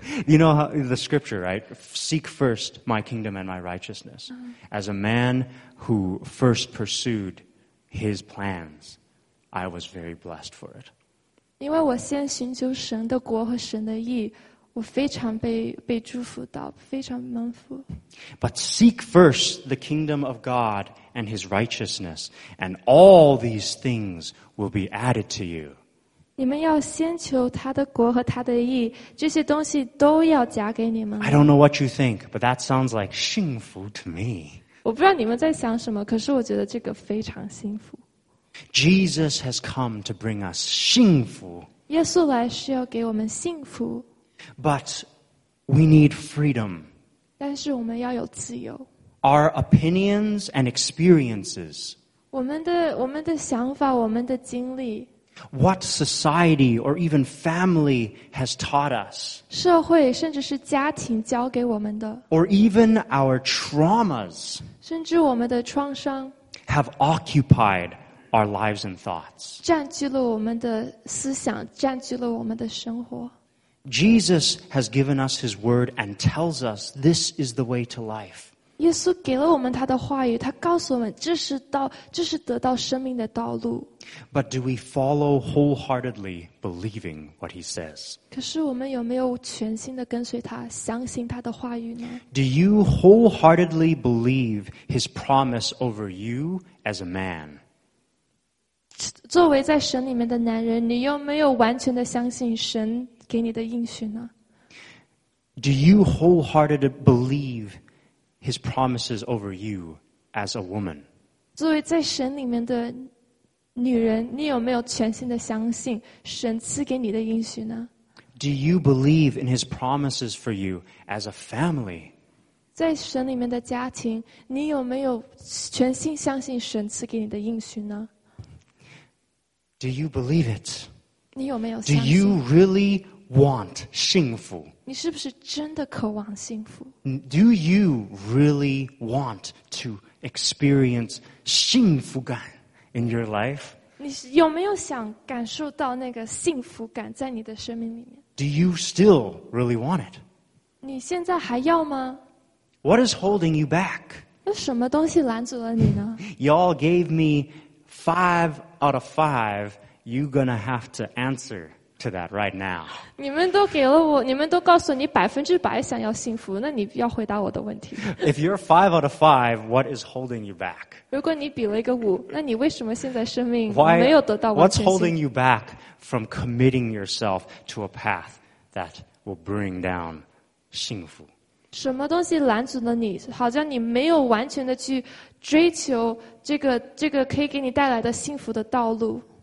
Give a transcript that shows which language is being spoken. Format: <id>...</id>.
<en>You know how, the scripture, right? Seek first my kingdom and my righteousness. As a man who first pursued his plans, I was very blessed for it.</en> <zh>因为我先寻求神的国和神的义，我非常被祝福到，非常蒙福。</zh> <en>But seek first the kingdom of God and his righteousness, and all these things will be added to you.</en> <zh>你们要先求他的国和他的义，这些东西都要加给你们。</zh> <en>I don't know what you think, but that sounds like 幸福 to me.</en> <zh>我不知道你们在想什么，可是我觉得这个非常幸福。</zh> <en>Jesus has come to bring us 幸福。</en> <zh>耶稣来是要给我们幸福。</zh> <en>But we need freedom.</en> <zh>但是我们要有自由。</zh> <en>Our opinions and experiences.</en> <zh>我们的想法，我们的经历。</zh> <en>What society or even family has taught us.</en> <zh>社会甚至是家庭教给我们的。</zh> <en>Or even our traumas.</en> <zh>甚至我们的创伤。</zh> <en>Have occupied our lives and thoughts.</en> <zh>占据了我们的思想，占据了我们的生活。</zh> <en>Jesus has given us his word and tells us this is the way to life.</en> <zh>耶稣给了我们他的话语，他告诉我们这是得到生命的道路。</zh> <en>But do we follow wholeheartedly believing what he says?</en> <zh>可是我们有没有全心的跟随他，相信他的话语呢？</zh> <en>Do you wholeheartedly believe his promise over you as a man?</en> <zh>作为在神里面的男人，你有没有完全的相信神给你的应许呢？</zh> <en>Do you wholeheartedly believe his promises over you as a woman?</en> <zh>作为在神里面的女人，你有没有全心的相信神赐给你的应许呢？</zh> <en>Do you believe in his promises for you as a family?</en> <zh>在神里面的家庭，你有没有全心相信神赐给你的应许呢？</zh> <en>Do you believe it?</en> <zh>你有没有相</zh> <en>信？ Do you really want 幸福？</en> <zh>你是不是真的渴望幸福？</zh> <en>Do you really want to experience 幸福感 in your life?</en> <zh>你有没有想感受到那个幸福感在你的生命里面？</zh> <en>Do you still really want it?</en> <zh>你现在还要吗？</zh> <en>What is holding you back?</en> <zh>有什么东西拦阻了你呢？</zh> <en>Y'all gave me 5 out of 5. You're going to have to answer to that right now.</en> <zh>你们都给了我，你们都告诉你100%想要幸福，那你要回答我的问题。</zh> <en>If you're 5 out of 5, what is holding you back?</en> <zh>如果你比了一个五，那你为什么现在生命没有得到完全性？</zh> <en>What's holding you back from committing yourself to a path that will bring down 幸福？</en> <zh>什么东西拦阻了你？好像你没有完全的去追求这个可以给你带来的幸福的道路。</zh>